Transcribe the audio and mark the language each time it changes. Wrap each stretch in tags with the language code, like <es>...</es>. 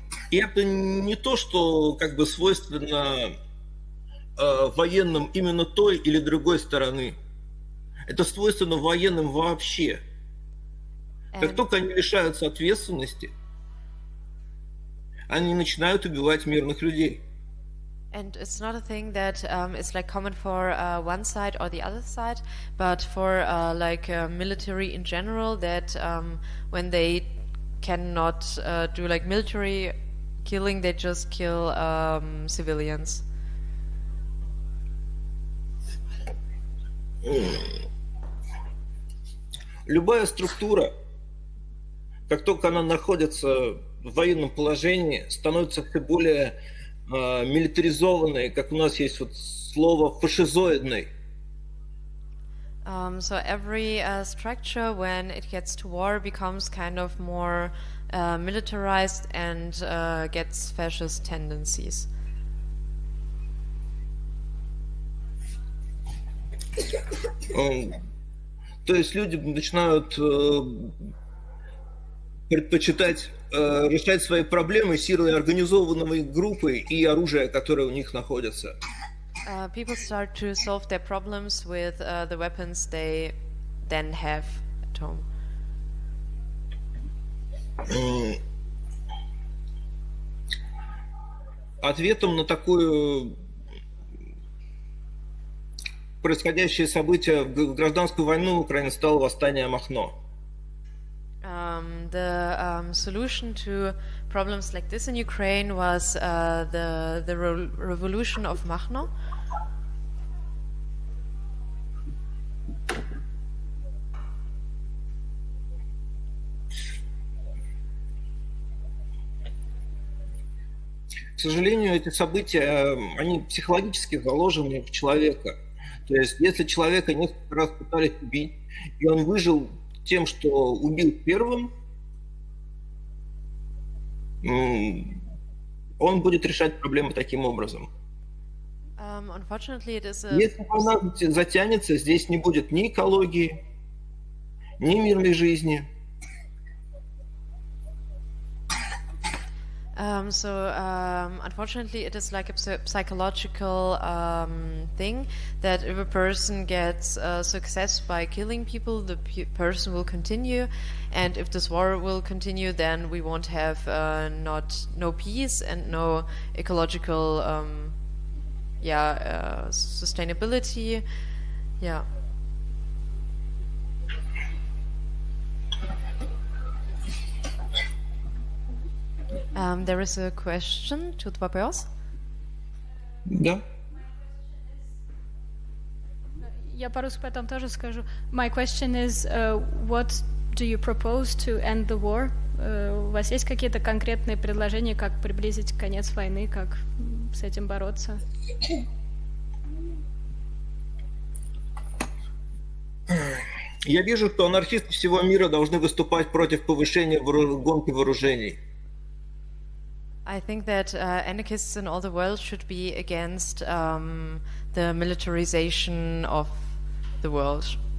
<ru>И это не то, что как бы свойственно военным именно той или другой стороны. Это свойственно военным вообще.</ru> <en>And...</en> <ru>Как только они лишаются ответственности, они начинают убивать мирных людей.</ru> <en>And it's not a thing that is like common for one side or the other side, but for like military in general, that when they cannot do like military killing, they just kill civilians.</en> <ru>Любая структура, как только она находится в военном положении, становится все более милитаризованной, как у нас есть вот слово фашизоидной.</ru> <en>So every structure, when it gets to war, becomes kind of more militarized and gets fascist tendencies.</en> <ru>То есть люди начинают предпочитать решать свои проблемы силой организованной группы и оружия, которое у них находится.</ru> <en>People start to solve their problems with the weapons they then have at home.</en> <ru>Ответом на такую происходящее событие в гражданскую войну в Украине стало восстание Махно.</ru> <en>The solution to problems like this in Ukraine was the revolution of Makhno.</en> <ru>К сожалению, эти события, они психологически заложены в человека. То есть, если человека несколько раз пытались убить, и он выжил тем, что убил первым, он будет решать проблемы таким образом.</ru> <en>Unfortunately, it is a...</en> <ru>Если она затянется, здесь не будет ни экологии, ни мирной жизни.</ru> <en>Unfortunately, it is like a psychological thing that if a person gets success by killing people, the person will continue, and if this war will continue, then we won't have no peace and no ecological sustainability. Yeah. There is a question to the papers. Yeah. My question is, what do you propose to end the war?</en> <ru>У вас есть какие-то конкретные предложения, как приблизить конец войны, как с этим бороться? Я вижу, что анархисты всего мира должны выступать против повышения гонки вооружений.</ru> <en>I think that anarchists in all the world should be against the militarization of the world.</en>